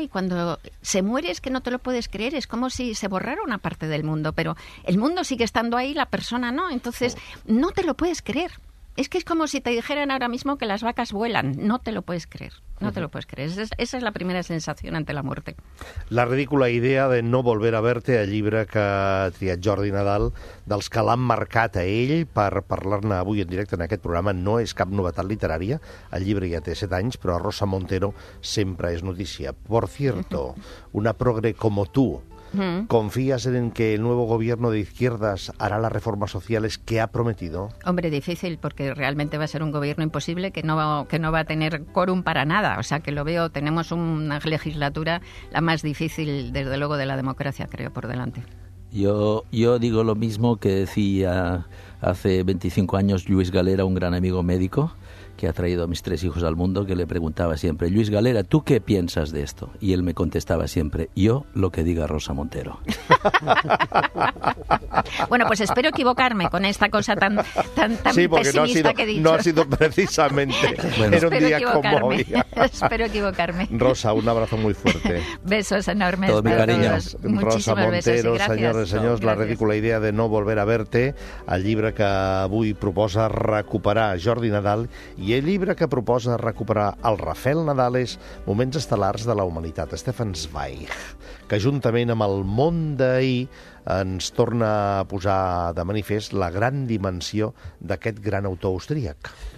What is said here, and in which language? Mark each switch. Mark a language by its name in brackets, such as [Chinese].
[Spanish] Y cuando se muere es que no te lo puedes creer, es como si se borrara una parte del mundo, pero el mundo sigue estando ahí, la persona no, entonces no te lo puedes creer. Es que es como si te dijeran ahora mismo que las vacas vuelan. No te lo puedes creer. Esa es la primera sensación ante la muerte. [Catalan] La ridícula idea de no volver a verte, el llibre que ha triat Jordi Nadal, dels que l'han marcat a ell per parlar-ne avui en directe en aquest programa, no és cap novetat literària. El llibre ja té 7 anys, però a Rosa Montero sempre és notícia. [Spanish] Por cierto, una progre como tú, ¿confías en que el nuevo gobierno de izquierdas hará las reformas sociales que ha prometido? Hombre, difícil, porque realmente va a ser un gobierno imposible que no va a tener quórum para nada. O sea, que lo veo, tenemos una legislatura la más difícil, desde luego, de la democracia, creo, por delante. Yo digo lo mismo que decía hace 25 años Lluís Galera, un gran amigo médico, que ha traído a mis tres hijos al mundo, que le preguntaba siempre, Luis Galera, ¿tú qué piensas de esto? Y él me contestaba siempre, yo lo que diga Rosa Montero. Bueno, pues espero equivocarme con esta cosa tan, tan sí, pesimista no ha sido, que he dicho. No ha sido precisamente. Bueno, era un día como hoy. Espero equivocarme. Rosa, un abrazo muy fuerte. Besos enormes. Todo mi cariño. [Catalan] Rosa Montero, señores, señores, la ridícula idea de no volver a verte, el llibre que avui proposa recuperar Jordi Nadal i el llibre que proposa recuperar el Rafael Nadal és Moments estel·lars de la humanitat, Stefan Zweig, que juntament amb el món d'ahir ens torna a posar de manifest la gran dimensió d'aquest gran autor austríac.